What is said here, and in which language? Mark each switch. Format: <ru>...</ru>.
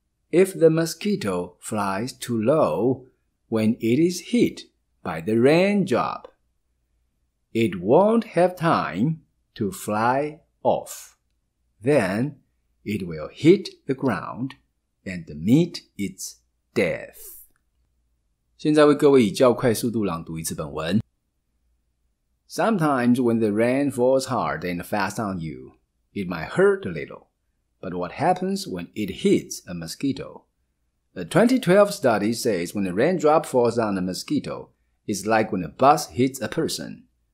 <en>If the mosquito flies too low,When it is hit by the raindrop, it won't have time to fly off. Then it will hit the ground and meet its death.</en> <zh>现在为各位以较快速度朗读一次本文。</zh> <en>Sometimes when the rain falls hard and fast on you, it might hurt a little. But what happens when it hits a mosquito? A 2012 study says when a raindrop falls on a mosquito, it's like when a bus hits a person.</en>